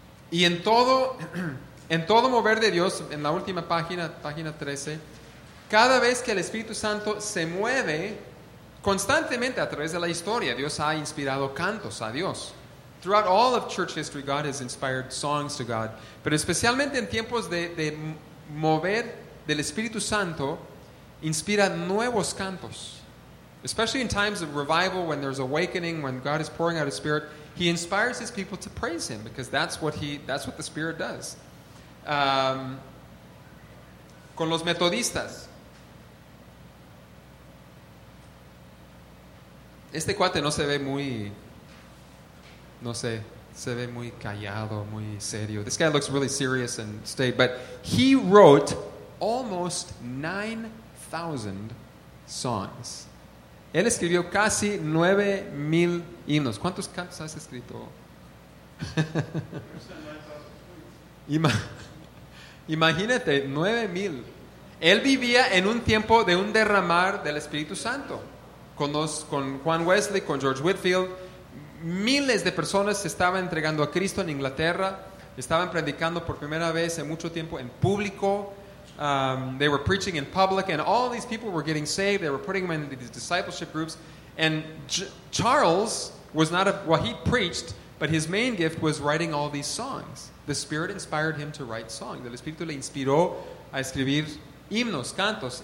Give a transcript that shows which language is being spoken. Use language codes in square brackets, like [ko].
[es] Y en todo, en todo mover de Dios, en la última página, página 13, cada vez que el Espíritu Santo se mueve constantemente a través de la historia, Dios ha inspirado cantos a Dios. [en] Throughout all of church history, God has inspired songs to God. [es] Pero especialmente en tiempos de mover del Espíritu Santo, inspira nuevos cantos. [en] Especially in times of revival, when there's awakening, when God is pouring out His Spirit, He inspires His people to praise Him, because that's what the Spirit does. [es] Con los metodistas. Este cuate no se ve muy... No sé, se ve muy callado, muy serio. [en] This guy looks really serious and staid. But he wrote almost 9,000 songs. [es] Él escribió casi 9,000 himnos. ¿Cuántos cantos has escrito? Imagínate, 9,000. Él vivía en un tiempo de un derramar del Espíritu Santo. Con Juan Wesley, con George Whitefield. Miles de personas se estaban entregando a Cristo en Inglaterra. Estaban predicando por primera vez en mucho tiempo en público. [en] They were preaching in public, and all these people were getting saved. They were putting them in these discipleship groups. And Charles was not a... Well, he preached, but his main gift was writing all these songs. The Spirit inspired him to write songs. [es] El Espíritu le inspiró a escribir himnos, cantos.